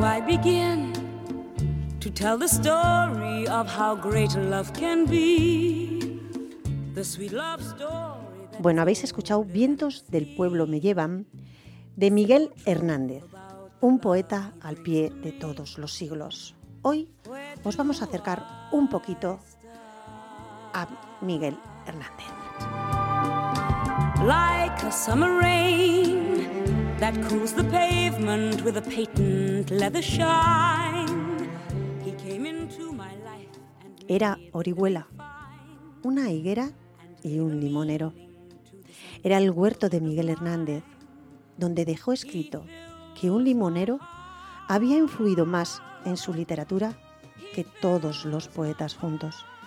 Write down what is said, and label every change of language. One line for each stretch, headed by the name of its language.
English: Begin to tell the story of how great love can be, the sweet love story.
Spanish: Bueno, habéis escuchado Vientos del pueblo me llevan, de Miguel Hernández, un poeta al pie de todos los siglos. Hoy os vamos a acercar un poquito a Miguel Hernández.
English: Like a summer rain that cools the pavement with a patent leather shine. He came into my life and
Spanish: era orihuela, una higuera y un limonero. Era el huerto de Miguel Hernández, donde dejó escrito que un limonero había influido más en su literatura que todos los poetas juntos.